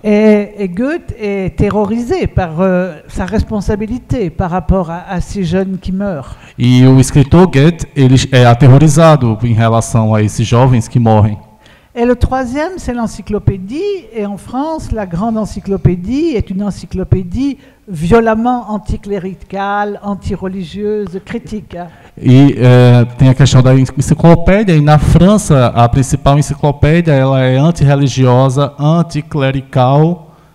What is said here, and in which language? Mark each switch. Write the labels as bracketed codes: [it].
[fr] E Goethe é terrorizé par sa responsabilité par rapport à ces jeunes qui meurent. [pt] E o escritor Goethe, ele é aterrorizado em relação a esses jovens que morrem. [fr] Et le troisième, c'est l'encyclopédie. Et en France, la grande encyclopédie est une encyclopédie violemment anticléricale, antireligieuse, critique. [pt] E tem a questão da enciclopédia. E na França, a principal enciclopédia, ela é antirreligiosa, anticlerical.